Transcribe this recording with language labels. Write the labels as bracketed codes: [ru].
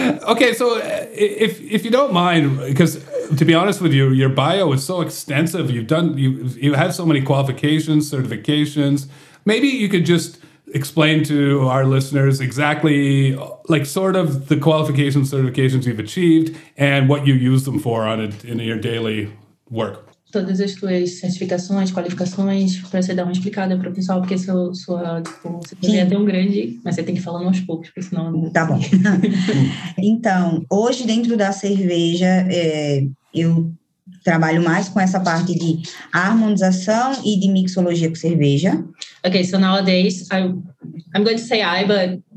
[en] Okay, so if you don't mind, because to be honest with you, your bio is so extensive. You've had so many qualifications, certifications. Maybe you could just explain to our listeners exactly, like, sort of the qualifications, certifications you've achieved and what you use them for in your daily work. [pt] todas as suas certificações, qualificações, para você dar uma explicada para o pessoal, porque você poderia ter um grande, mas você tem que falar aos poucos, porque senão... Tá bom. Então, hoje dentro da cerveja, eu trabalho mais com essa parte de harmonização e de mixologia com cerveja. [en] Ok, so nowadays, I'm going to say I, but...